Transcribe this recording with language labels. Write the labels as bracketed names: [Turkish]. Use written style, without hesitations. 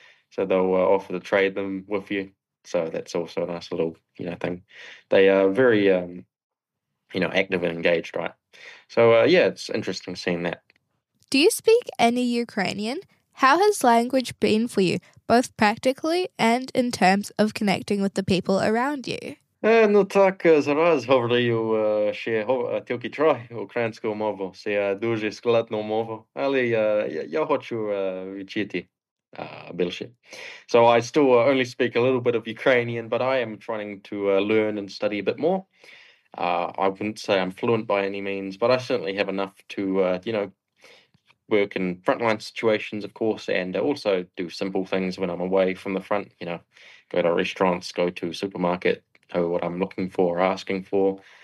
[English] So they'll offer to trade them with you. So that's also a nice little, you know, thing. They are very, active and engaged, right? So, yeah, it's interesting seeing that. Do you speak any Ukrainian? How has language been for you, both practically and in terms of connecting with the people around you? [Ukrainian] Ну так, зараз говорю ще тільки трохи українську мову. Це дуже складну мову, але я хочу вчити більше. [English] So I still only speak a little bit of Ukrainian, but I am trying to learn and study a bit more. I wouldn't say I'm fluent by any means, but I certainly have enough to, work in frontline situations, of course, and also do simple things when I'm away from the front, you know, go to restaurants, go to a supermarket, know what I'm looking for or asking for.